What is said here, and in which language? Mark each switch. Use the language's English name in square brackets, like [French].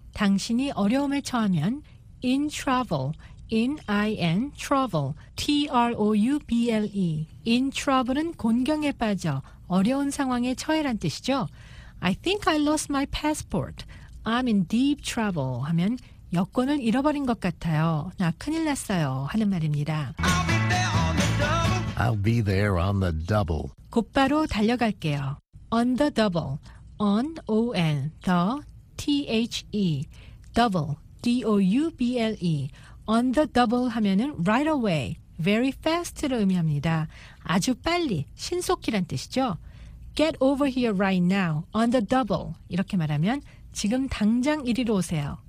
[Korean] 당신이 어려움에 처하면 [English] in trouble. In I-N, trouble, T-R-O-U-B-L-E. [Korean] In trouble은 곤경에 빠져, 어려운 상황에 처해란 뜻이죠. [English] I think I lost my passport. I'm in deep trouble [Korean] 하면 여권을 잃어버린 것 같아요. 나 큰일 났어요 하는 말입니다. [English] I'll be there on the double. [Korean] 곧바로 달려갈게요. [English] On the double, on, O-N, the, T-H-E, double, D-O-U-B-L-E. On the double [Korean] 하면은 [English] right away, very fast를 의미합니다. [Korean] 아주 빨리, 신속히란 뜻이죠. [English] Get over here right now, on the double. [Korean] 이렇게 말하면 지금 당장 이리로 오세요.